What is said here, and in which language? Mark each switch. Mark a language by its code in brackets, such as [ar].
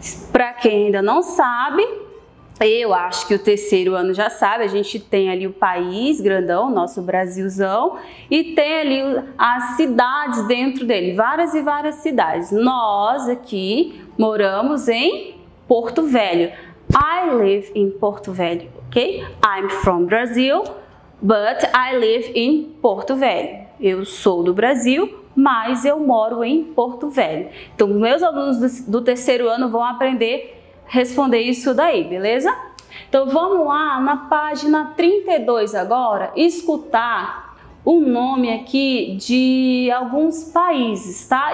[pt] Para quem ainda não sabe, eu acho que o terceiro ano já sabe, a gente tem ali o país grandão, nosso Brasilzão, e tem ali as cidades dentro dele, várias e várias cidades. Nós aqui moramos em Porto Velho. [en] I live in Porto Velho, ok? I'm from Brazil, but I live in Porto Velho. [pt] Eu sou do Brasil, mas eu moro em Porto Velho. Então, meus alunos do terceiro ano vão aprender responder isso daí, beleza? Então vamos lá na página 32 agora, escutar o nome aqui de alguns países, tá?